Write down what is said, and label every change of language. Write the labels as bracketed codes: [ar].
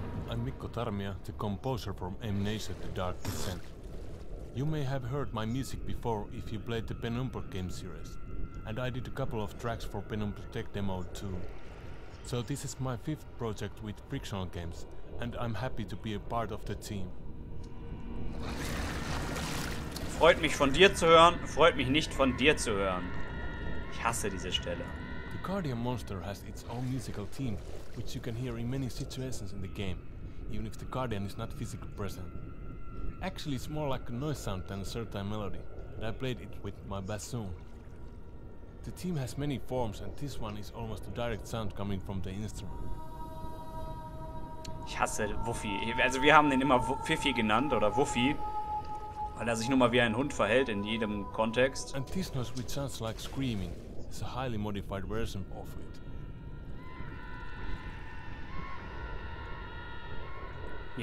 [en] I'm Mikko Tarmia, the composer from Amnesia The Dark Descent. You may have heard my music before if you played the Penumbra game series. And I did a couple of tracks for Penumbra Tech Demo too. So this is my fifth project with Frictional Games, and I'm happy to be a part of the team. [de] Freut mich von dir zu hören, freut mich nicht von dir zu hören. Ich hasse diese Stelle. [en] The Guardian Monster has its own musical team, which you can hear in many situations in the game, even if the Guardian is not physically present. Actually, it's more like a noise sound than a certain melody, and I played it with my bassoon. The team has many forms, and this one is almost a direct sound coming from the instrument. [de] Ich hasse Wuffy. Also wir haben den immer Fiffy genannt, oder Wuffy, weil er sich nun mal wie ein Hund verhält in jedem Kontext. [en] And this noise which sounds like screaming. It's a highly modified version of it.